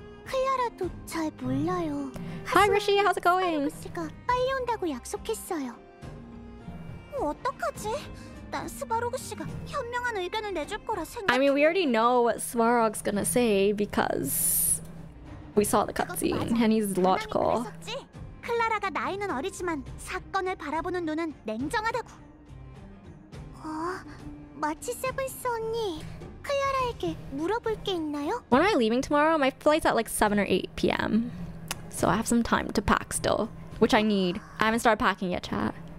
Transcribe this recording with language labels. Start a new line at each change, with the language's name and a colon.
English: Hi, Rishi. How's it going?
Korean: 스바로그스가 빨리 온다고 약속했어요. 어떡하지? 난 스바로그스가 현명한 의견을 내줄 거라 생각.
English: I mean, we already know what Svarog's gonna say because we saw the cutscene, and he's logical.
Korean: 클라라가 나이는 어리지만 사건을 바라보는 눈은 냉정하다고. 어, 마치 세븐스 언니.
English: When am I leaving tomorrow? My flight's at like 7 or 8 p.m. So I have some time to pack still, which I need. I haven't started packing yet, chat.